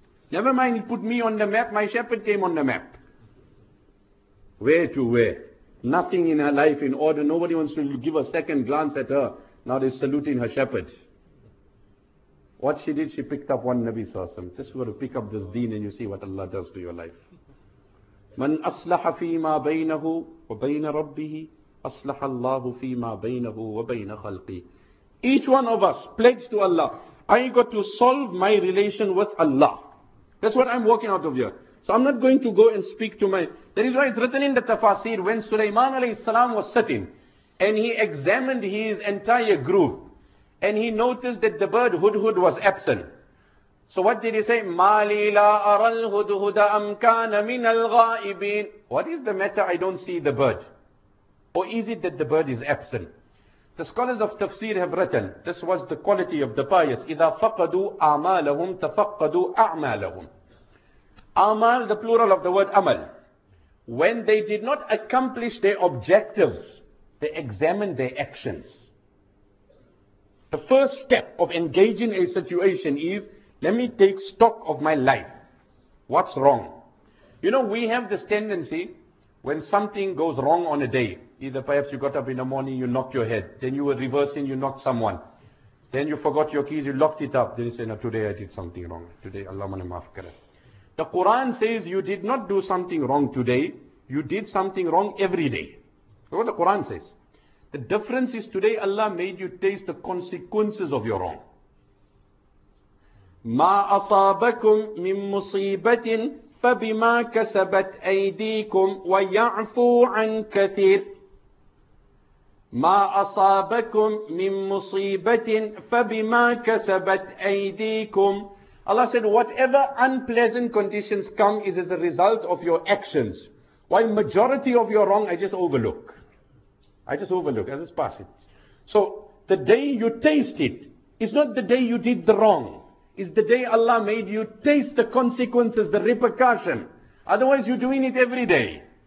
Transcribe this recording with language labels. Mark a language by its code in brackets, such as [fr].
[en] Never mind, he put me on the map, my shepherd came on the map. Where to where? Nothing in her life in order. Nobody wants to give a second glance at her. Now they're saluting her shepherd. What she did, she picked up one Nabi Sallallahu Alaihi Wasallam. Just were to pick up this deen and you see what Allah does to your life. [ar] من أصلح فيما بينه وبين ربه أصلح الله فيما بينه وبين خلقه. [en] Each one of us pledged to Allah. I got to solve my relation with Allah. That's what I'm walking out of here. So I'm not going to go and speak to my... That is why it's written in the tafaseer when Sulaiman alayhi salam was sitting and he examined his entire group and he noticed that the bird Hudhud was absent. So what did he say? [ar] مَالِي لَا أَرَى الْهُدْهُدَ أَمْ كَانَ مِنَ الْغَائِبِينَ [en] What is the matter? I don't see the bird. Or is it that the bird is absent? The scholars of tafsir have written, this was the quality of the pious. [ar] إِذَا فَقَدُوا أَعْمَالَهُمْ تَفَقَدُوا أَعْمَالَهُمْ أَعْمَال, [en] the plural of the word [ar] أَمَل. [en] When they did not accomplish their objectives, they examined their actions. The first step of engaging a situation is, let me take stock of my life. What's wrong? You know, we have this tendency when something goes wrong on a day. Either perhaps you got up in the morning, you knocked your head. Then you were reversing, you knocked someone. Then you forgot your keys, you locked it up. Then you say, no, today I did something wrong. Today, Allahumma maaf kare. The Quran says you did not do something wrong today. You did something wrong every day. Look what the Quran says. The difference is today Allah made you taste the consequences of your wrong. [ar] مَا أَصَابَكُمْ مِنْ مُصِيبَةٍ فَبِمَا كَسَبَتْ أَيْدِيكُمْ وَيَعْفُو عَنْ كَثِيرٍ مَا أَصَابَكُمْ مِنْ مُصِيبَةٍ فَبِمَا كَسَبَتْ أَيْدِيكُمْ [en] Allah said, whatever unpleasant conditions come is as a result of your actions. While majority of your wrong, I just overlook, I just pass it. So, the day you taste it, is not the day you did the wrong. Is the day Allah made you taste the consequences, the repercussion. Otherwise, you're doing it every day.